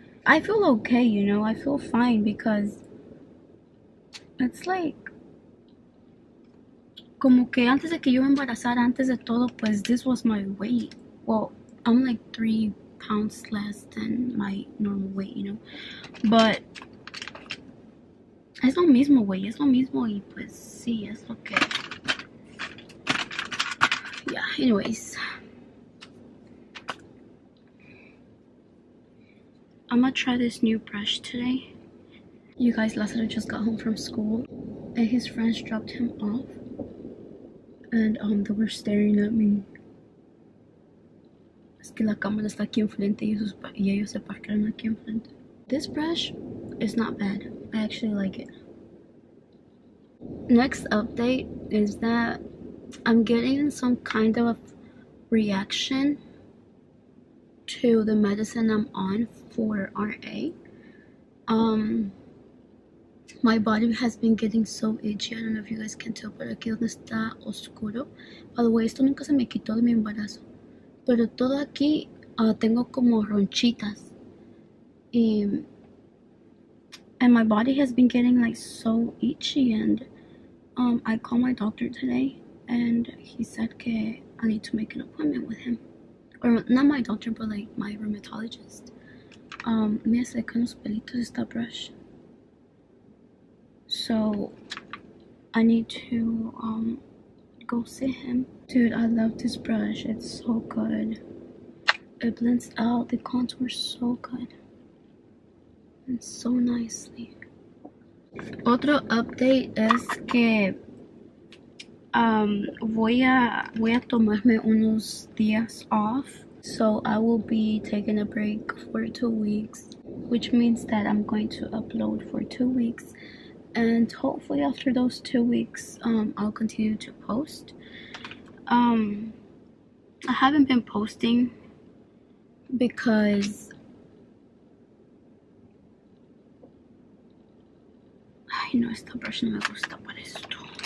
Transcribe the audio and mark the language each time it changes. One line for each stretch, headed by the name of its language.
English: I feel okay, you know? I feel fine because it's like,
Spanish: como que antes de que yo embarazara, antes de todo, pues
English: this was my weight. Well, I'm like 3 pounds less than my normal weight, you know?
Spanish: But es lo mismo, güey. Es lo mismo y pues sí, es lo que.
English: Yeah, anyways. I'm gonna try this new brush today. You guys, Lazaro just got home from school and his friends dropped him off, and they were staring at me.
Spanish: Es que la cámara está aquí enfrente y ellos se parquearon aquí enfrente.
English: This brush is not bad. I actually like it. Next update is that I'm getting some kind of reaction to the medicine I'm on for RA. My body has been getting so itchy. I don't know if you guys can tell,
Spanish: pero aquí donde está oscuro.
English: By the way,
Spanish: esto nunca se me quitó de mi embarazo. Pero todo aquí tengo como ronchitas.
English: And my body has been getting like so itchy. And I called my doctor today and he said que I need to make an appointment with him. Or not my doctor, but like my rheumatologist.
Spanish: Me hace con los pelitos de esta brush.
English: So I need to go see him. Dude, I love this brush. It's so good. It blends out the contour so good and so nicely.
Spanish: Otro update que voy a tomarme unos días off.
English: So I will be taking a break for 2 weeks, which means that I'm going to upload for 2 weeks. And hopefully after those 2 weeks, I'll continue to post. I haven't been posting because I know
Spanish: esta brush no me gusta para esto.